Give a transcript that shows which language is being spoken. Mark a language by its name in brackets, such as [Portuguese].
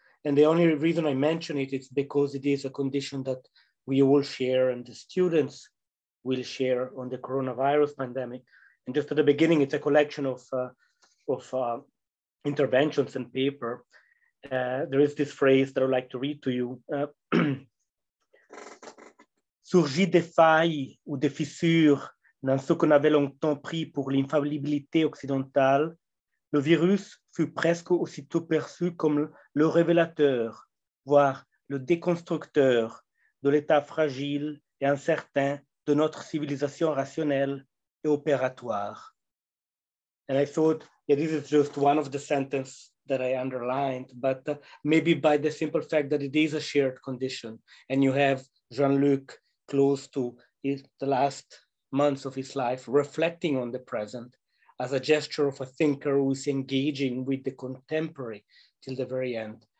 [English] And the only reason I mention it is because it is a condition that we all share and the students will share on the coronavirus pandemic. And just at the beginning, it's a collection of interventions and paper. There is this phrase that I'd like to read to you. [French] Surgit des failles ou des fissures dans ce qu'on avait longtemps pris pour l'infallibilité occidentale, le virus fut presque aussitôt perçu comme le révélateur, voire le déconstructeur de l'état fragile et incertain de notre civilisation rationnelle et opératoire. [English] And I thought, yeah, this is just one of the sentences that I underlined, but maybe by the simple fact that it is a shared condition, and you have Jean-Luc close to the last months of his life reflecting on the present, as a gesture of a thinker who is engaging with the contemporary till the very end.